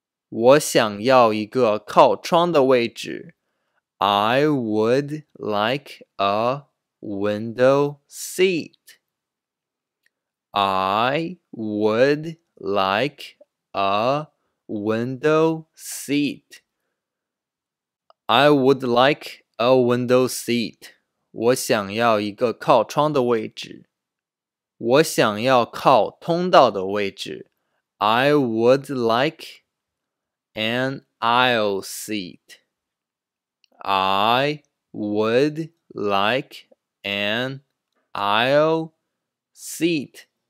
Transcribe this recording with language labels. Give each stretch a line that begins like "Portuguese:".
Chinese: 我想要一个靠窗的位置。
English: I would like a window seat. I would like a window seat. I would like a window seat.
Chinese: 我想要一个靠窗的位置。我想要靠通道的位置。
English: I would like an aisle seat. I would like an aisle seat.